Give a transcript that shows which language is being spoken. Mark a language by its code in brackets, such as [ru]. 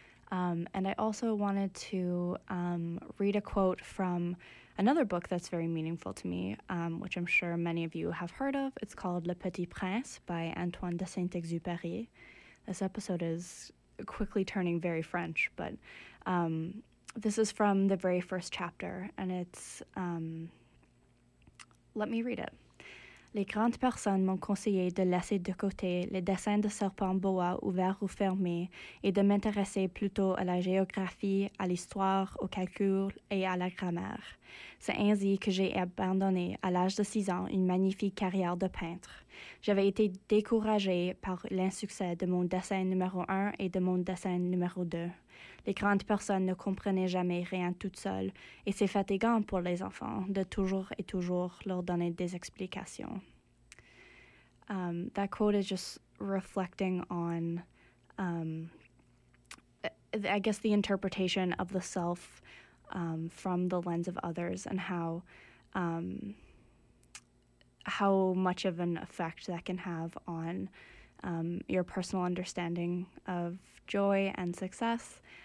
[en] And I also wanted to read a quote from another book that's very meaningful to me, which I'm sure many of you have heard of. It's called Le Petit Prince by Antoine de Saint-Exupéry. This episode is quickly turning very French, but this is from the very first chapter, and it's, let me read it. [fr] Les grandes personnes m'ont conseillé de laisser de côté les dessins de serpents boa ouverts ou fermés et de m'intéresser plutôt à la géographie, à l'histoire, au calcul et à la grammaire. C'est ainsi que j'ai abandonné, à l'âge de 6 ans, une magnifique carrière de peintre. J'avais été découragée par l'insuccès de mon dessin numéro 1 et de mon dessin numéro 2. Les grandes personnes ne comprenaient jamais rien toutes seules, et c'est fatigant pour les enfants de toujours et toujours leur donner des explications. [en] That quote is just reflecting on, I guess, the interpretation of the self from the lens of others, and how much of an effect that can have on your personal understanding of joy and success.